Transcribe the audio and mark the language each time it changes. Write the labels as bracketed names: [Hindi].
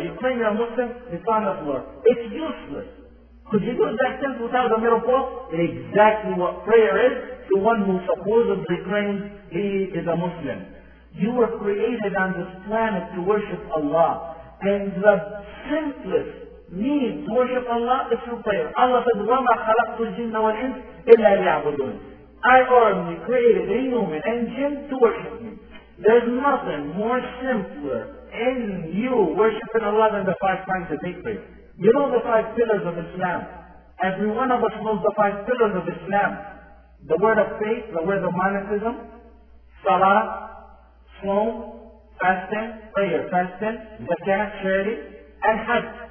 [English] You claim you're a Muslim, it's on the floor. It's useless. Could you do that tent without a middle pole? Exactly what prayer is to one who supposedly claims he is a Muslim. You were created on this planet to worship Allah. And the simplest need to worship Allah is through prayer. Allah said, [Arabic] وَمَا خَلَقْتُ الْجِنَّ وَالْإِنْسِ إِلَّا لِيَعْبُدُونَ. [English] I only created a human and jinn to worship me. There's nothing more simpler in you worshiping Allah than the 5 times a day prayer. You know the 5 pillars of Islam. Every one of us knows the 5 pillars of Islam. The word of faith, the word of monotheism, salah, sloan, fasting, prayer, fasting, zakah, charity, and hajj.